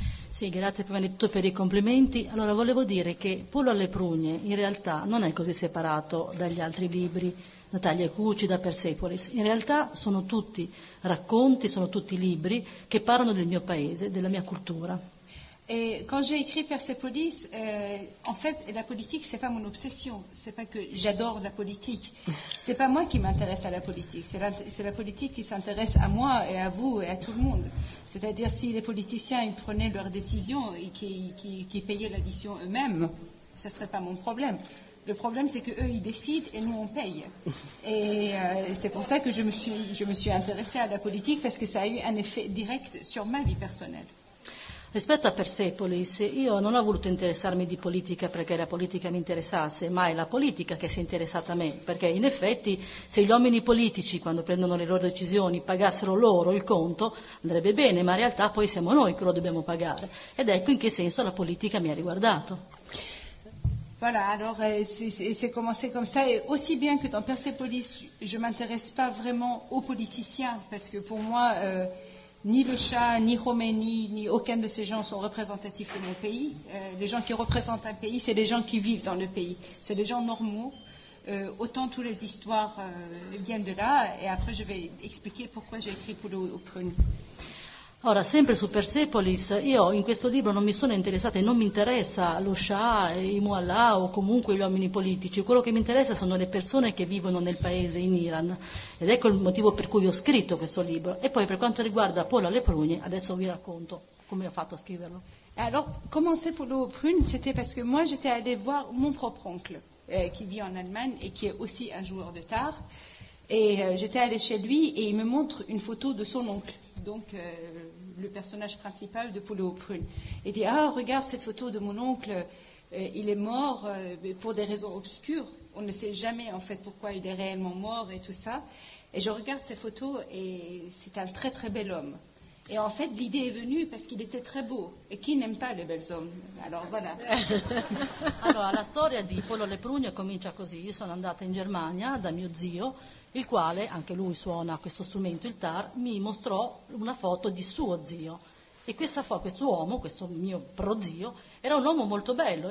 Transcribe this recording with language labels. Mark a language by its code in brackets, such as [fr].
[it] Sì, grazie prima di tutto per i complimenti. Allora, volevo dire che Pollo alle prugne in realtà non è così separato dagli altri libri, da Tagli e Cuci, da Persepolis. In realtà sono tutti racconti, sono tutti libri che parlano del mio paese, della mia cultura. E quando ho scritto Persepolis, [fr] en fait, [it] la politica non è la mia obsession. Non è che [fr] j'adore [it] la politica. Non è [fr] moi qui m'intéresse à la politica. C'est la politica qui s'intéresse à moi et à vous et à tout le monde. C'est-à-dire si les politiciens ils prenaient leurs décisions et qu'ils payaient l'addition eux-mêmes, ce ne serait pas mon problème. Le problème, c'est qu'eux, ils décident et nous, on paye. Et c'est pour ça que je me suis intéressée à la politique, parce que ça a eu un effet direct sur ma vie personnelle. [it] Rispetto a Persepolis, io non ho voluto interessarmi di politica perché la politica mi interessasse, ma è la politica che si è interessata a me, perché in effetti se gli uomini politici, quando prendono le loro decisioni, pagassero loro il conto, andrebbe bene, ma in realtà poi siamo noi che lo dobbiamo pagare. Ed ecco in che senso la politica mi ha riguardato. [fr] Voilà, alors c'est commencé comme ça, et aussi bien que dans Persepolis, je ne m'intéresse pas vraiment aux politiciens, parce que pour moi, ni le chat, ni Khomeini, ni aucun de ces gens sont représentatifs de mon pays. Les gens qui représentent un pays, c'est les gens qui vivent dans le pays, c'est les gens normaux. Autant toutes les histoires viennent de là, et après je vais expliquer pourquoi j'ai écrit pour le Prune. [it] Ora, sempre su Persepolis, io in questo libro non mi sono interessata e non mi interessa lo Shah, i Mullah o comunque gli uomini politici. Quello che mi interessa sono le persone che vivono nel paese, in Iran. Ed ecco il motivo per cui ho scritto questo libro. E poi per quanto riguarda Polo alle prugne, adesso vi racconto come ho fatto a scriverlo. [fr] Allora, commencer Polo aux prunes, c'était parce que moi j'étais allée voir mon propre oncle, qui vit en Allemagne et qui est aussi un joueur de tar. Et j'étais allée chez lui et il me montre une photo de son oncle, donc le personnage principal de Poulet aux prunes. Il dit, ah, regarde cette photo de mon oncle, il est mort pour des raisons obscures. On ne sait jamais en fait pourquoi il est réellement mort et tout ça. Et je regarde ces photos et c'est un très très bel homme. Et en fait, l'idée est venue parce qu'il était très beau. Et qui n'aime pas les belles hommes? Alors voilà. [it] Alors, la storia di Poulet aux prunes comincia così. Io sono andata in Germania da mio zio, il quale, anche lui suona questo strumento, il tar, mi mostrò una foto di suo zio. E questo uomo, questo mio prozio, era un uomo molto bello.